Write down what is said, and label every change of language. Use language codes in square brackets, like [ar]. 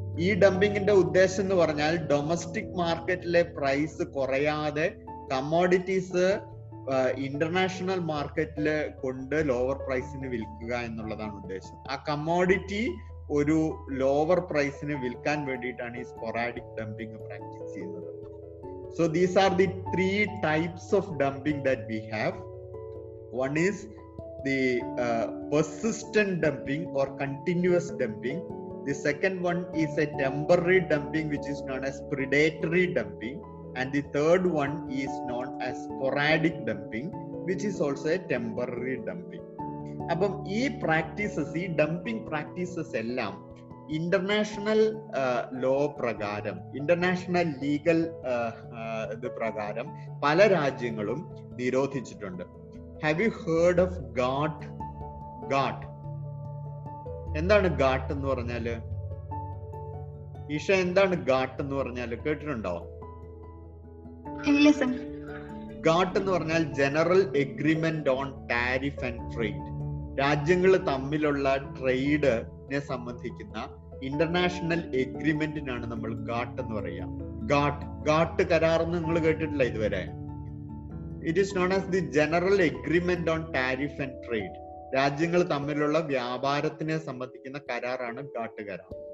[ml] ഈ ഡംപിങ്ങിന്റെ ഉദ്ദേശം എന്ന് പറഞ്ഞാൽ ഡൊമസ്റ്റിക് മാർക്കറ്റിലെ പ്രൈസ് കുറയാതെ കമോഡിറ്റീസ് ഇന്റർനാഷണൽ മാർക്കറ്റില് കൊണ്ട് ലോവർ പ്രൈസിന് വിൽക്കുക എന്നുള്ളതാണ് ഉദ്ദേശം. ആ കമോഡിറ്റി ഒരു ലോവർ പ്രൈസിന് വിൽക്കാൻ വേണ്ടിയിട്ടാണ് ഈ സ്പൊറാഡിക് ഡംപിങ് പ്രാക്ടീസ് ചെയ്യുന്നത്. [en] So these are the three types of dumping that we have. One is the persistent dumping or continuous dumping. The second one is a temporary dumping, which is known as predatory dumping. And the third one is known as sporadic dumping, which is also a temporary dumping. [ml] Appam ee practices, ee dumping practices ellam international law പ്രകാരം, international legal ഇത് പ്രകാരം പല രാജ്യങ്ങളും നിരോധിച്ചിട്ടുണ്ട്. [en] Have you heard of GATT? GATT. [ml] എന്താണ് GATT എന്ന് പറഞ്ഞാല്? ഇഷ എന്താണ് GATT എന്ന് പറഞ്ഞാല്? കേട്ടിട്ടുണ്ടോ? ഇല്ല സർ. GATT എന്ന് പറഞ്ഞാൽ general agreement on tariff and trade. രാജ്യങ്ങൾ തമ്മിലുള്ള ട്രേഡിനെ സംബന്ധിക്കുന്ന ഇന്റർനാഷണൽ എഗ്രിമെന്റിനാണ് നമ്മൾ GATT എന്ന് പറയുക. GATT, GATT കരാർ എന്ന് നിങ്ങൾ കേട്ടിട്ടില്ല ഇതുവരെ? [en] It is known as the General Agreement on Tariff and Trade. [ml] രാജ്യങ്ങൾ തമ്മിലുള്ള വ്യാപാരത്തിനെ സംബന്ധിക്കുന്ന കരാറാണ് GATT കരാർ.